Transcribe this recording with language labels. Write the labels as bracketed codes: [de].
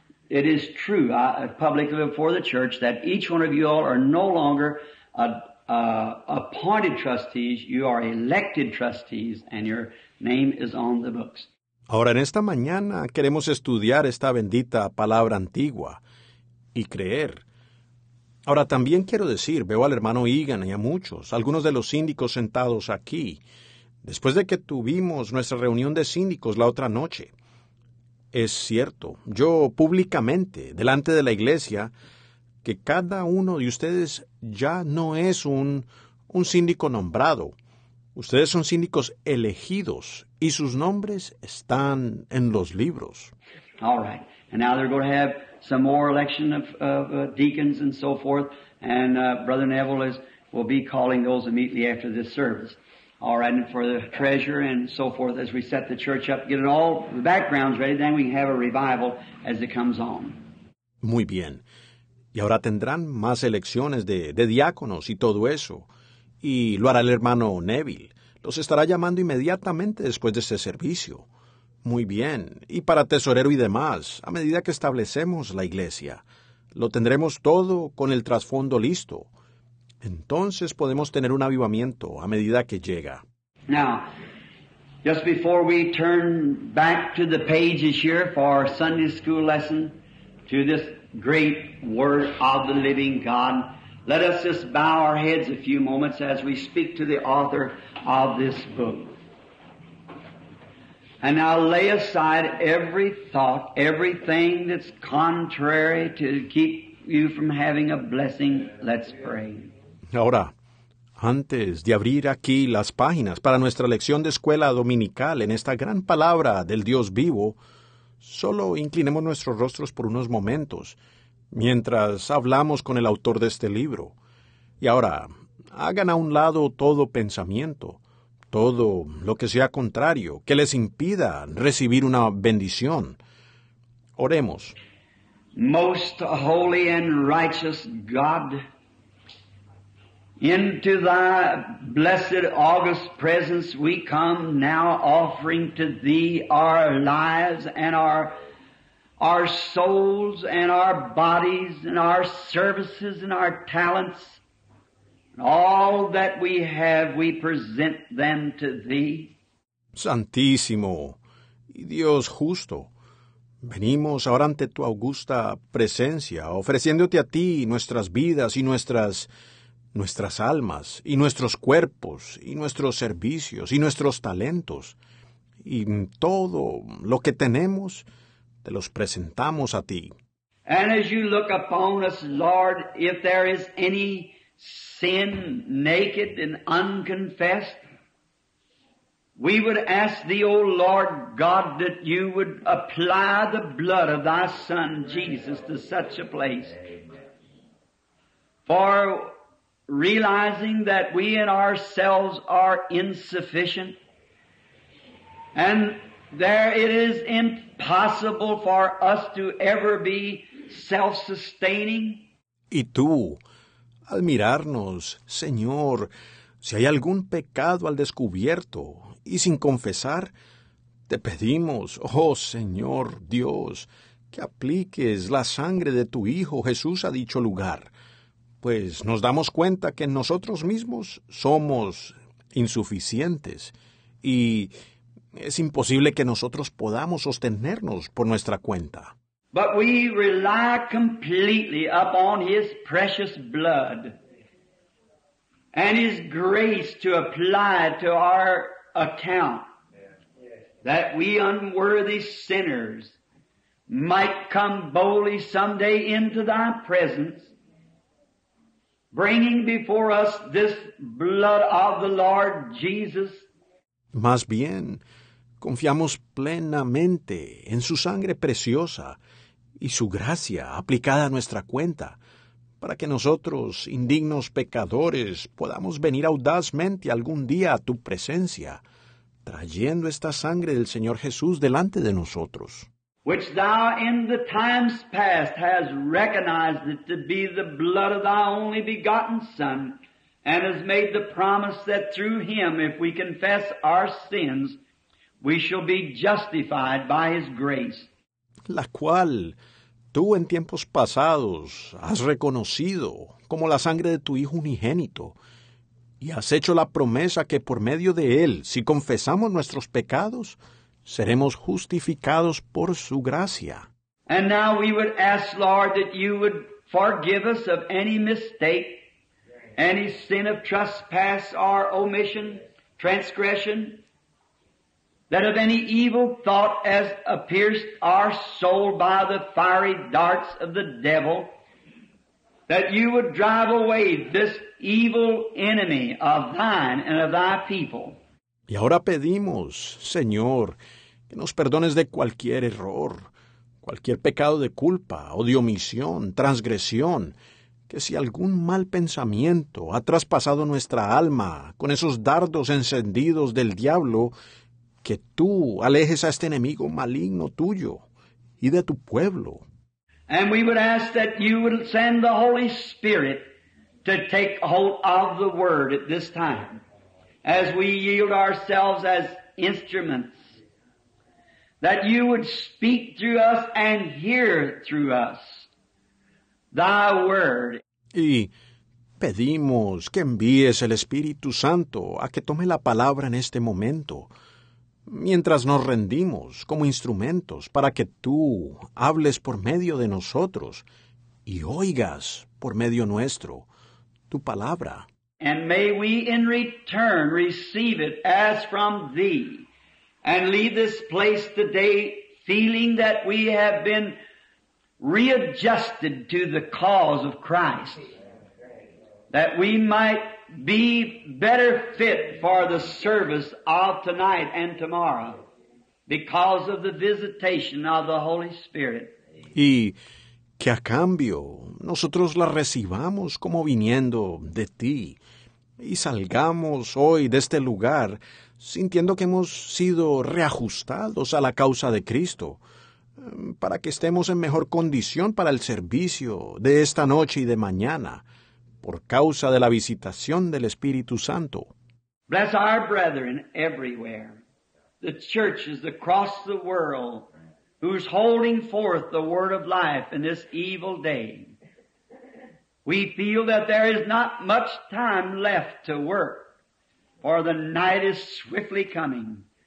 [en] It is true, publicly before the church, that each one of you all are no longer appointed trustees. You are elected trustees, and your name is on the books. [es] Ahora, en esta mañana queremos estudiar esta bendita palabra antigua y creer. Ahora, también quiero decir, veo al hermano Egan y a muchos, algunos de los síndicos sentados aquí, después de que tuvimos nuestra reunión de síndicos la otra noche. Es cierto, yo públicamente, delante de la iglesia, que cada uno de ustedes ya no es un síndico nombrado. Ustedes son síndicos elegidos y sus nombres están en los libros. [en] All right. And now they're going to have some more election of deacons and so forth. And Brother Neville will be calling those immediately after this service. All right. And for the treasurer and so forth, as we set the church up, get it all, the backgrounds ready, then we can have a revival as it comes on. [es] Muy bien. Y ahora tendrán más elecciones de diáconos y todo eso. Y lo hará el hermano Neville. Los estará llamando inmediatamente después de este servicio. Muy bien. Y para tesorero y demás, a medida que establecemos la iglesia, lo tendremos todo con el trasfondo listo. Entonces podemos tener un avivamiento a medida que llega. [en] Now, just before we turn back to the pages here for our Sunday school lesson, to this great word of the living God, let us just bow our heads a few moments as we speak to the author of this book. And now lay aside every thought, everything that's contrary to keep you from having a blessing. Let's pray. [es] Ahora, antes de abrir aquí las páginas para nuestra lección de escuela dominical en esta gran palabra del Dios vivo, solo inclinemos nuestros rostros por unos momentos mientras hablamos con el autor de este libro. Y ahora, hagan a un lado todo pensamiento, todo lo que sea contrario, que les impida recibir una bendición. Oremos. [en] Most holy and righteous God, into thy blessed august presence we come now, offering to thee our lives and our souls and our bodies and our services and our talents. All that we have, we present them to thee. [es] Santísimo y Dios justo, venimos ahora ante tu augusta presencia, ofreciéndote a ti nuestras vidas y nuestras almas y nuestros cuerpos y nuestros servicios y nuestros talentos y todo lo que tenemos, te los presentamos a ti. [en] And as you look upon us, Lord, if there is any sin naked and unconfessed, we would ask thee, O Lord God, that you would apply the blood of thy Son Jesus to such a place. For realizing that we in ourselves are insufficient, and there it is impossible for us to ever be self-sustaining. [es] Y tú, al mirarnos, Señor, si hay algún pecado al descubierto y sin confesar, te pedimos, oh Señor Dios, que apliques la sangre de tu Hijo Jesús a dicho lugar, pues nos damos cuenta que nosotros mismos somos insuficientes y es imposible que nosotros podamos sostenernos por nuestra cuenta. [en] But we rely completely upon His precious blood and His grace to apply to our account, that we unworthy sinners might come boldly someday into Thy presence, bringing before us this blood of the Lord Jesus. [es] Más bien, confiamos plenamente en su sangre preciosa y su gracia aplicada a nuestra cuenta, para que nosotros, indignos pecadores, podamos venir audazmente algún día a tu presencia, trayendo esta sangre del Señor Jesús delante de nosotros. [en] Which thou in the times past has recognized it to be the blood of thy only begotten Son, and has made the promise that through him, if we confess our sins, we shall be justified by his grace. [es] La cual tú en tiempos pasados has reconocido como la sangre de tu Hijo unigénito, y has hecho la promesa que por medio de él, si confesamos nuestros pecados, seremos justificados por su gracia. [en] And now we would ask, Lord, that you would forgive us of any mistake, any sin of trespass or omission, transgression, that of any evil thought as pierced our soul by the fiery darts of the devil, that you would drive away this evil enemy of thine and of thy people. [es] Y ahora pedimos, Señor, que nos perdones de cualquier error, cualquier pecado de culpa o de omisión, transgresión, que si algún mal pensamiento ha traspasado nuestra alma con esos dardos encendidos del diablo, que tú alejes a este enemigo maligno tuyo y de tu pueblo. [en] And we would ask that you would send the Holy Spirit to take hold of the word at this time, as we yield ourselves as instruments, that you would speak through us and hear through us thy word. [es] Y pedimos que envíes el Espíritu Santo a que tome la palabra en este momento, mientras nos rendimos como instrumentos para que tú hables por medio de nosotros y oigas por medio nuestro tu palabra. [en] And may we in return receive it as from thee, and leave this place today feeling that we have been readjusted to the cause of Christ, that we might be better fit for the service of tonight and tomorrow because of the visitation of the Holy Spirit. [es] Y que a cambio nosotros la recibamos como viniendo de ti, y salgamos hoy de este lugar sintiendo que hemos sido reajustados a la causa de Cristo, para que estemos en mejor condición para el servicio de esta noche y de mañana, por causa de la visitación del Espíritu Santo. [en] Bless our brethren everywhere, the churches across the world, who's holding forth the word of life in this evil day. We feel that there is not much time left to work, for the night is swiftly coming.